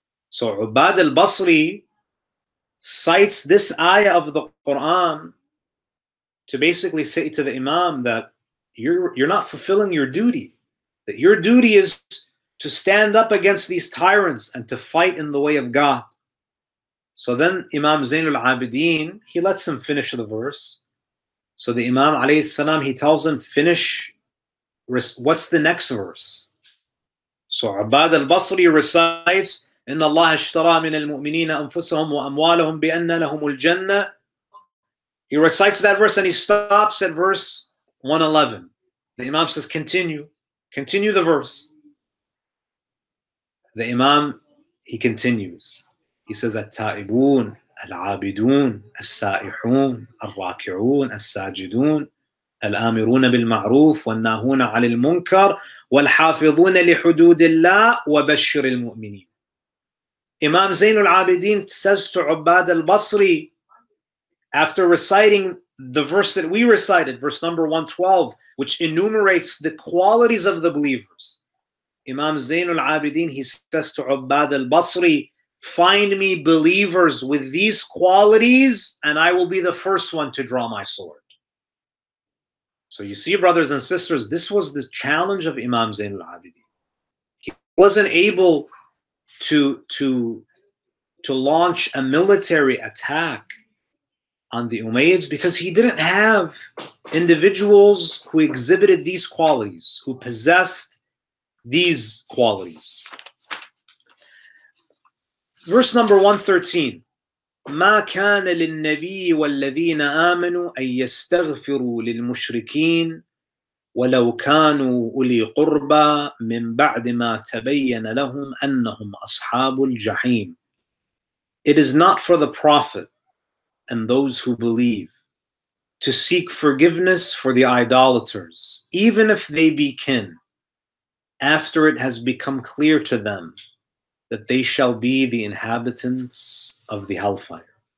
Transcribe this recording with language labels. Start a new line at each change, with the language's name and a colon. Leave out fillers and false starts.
English: So Ubad al-Basri cites this ayah of the Quran to basically say to the Imam that you're not fulfilling your duty, that your duty is to stand up against these tyrants and to fight in the way of God. So then Imam Zainul Abideen, he lets him finish the verse. So the Imam alayhi salam, he tells him, finish, what's the next verse? So Abad al-Basri recites,
Arabic: إن الله اشترى من المؤمنين أنفسهم وأموالهم بأن لهم الجنة.
English: He recites that verse and he stops at verse 111. The Imam says, continue the verse. The Imam, he continues. He says,
Arabic: التائبون العابدون السائحون الراكعون الساجدون الآمرون بالمعروف والناهون عن المنكر والحافظون لحدود الله وبشر المؤمنين.
English: Imam Zainul Abideen says to Ubad al-Basri, after reciting the verse that we recited, verse number 112, which enumerates the qualities of the believers, Imam Zainul Abideen, he says to Ubad al-Basri, find me believers with these qualities and I will be the first one to draw my sword. So you see, brothers and sisters, this was the challenge of Imam Zainul Abideen. He wasn't able to launch a military attack on the Umayyads because he didn't have individuals who exhibited these qualities, who possessed these qualities. Verse number 113.
Arabic: ما كان للنبي والذين آمنوا أن يستغفروا للمشركين ولو كانوا أولي قربى من بعد ما تبين لهم أنهم أصحاب الجحيم.
English: It is not for the Prophet and those who believe to seek forgiveness for the idolaters, even if they be kin, after it has become clear to them that they shall be the inhabitants of the hellfire.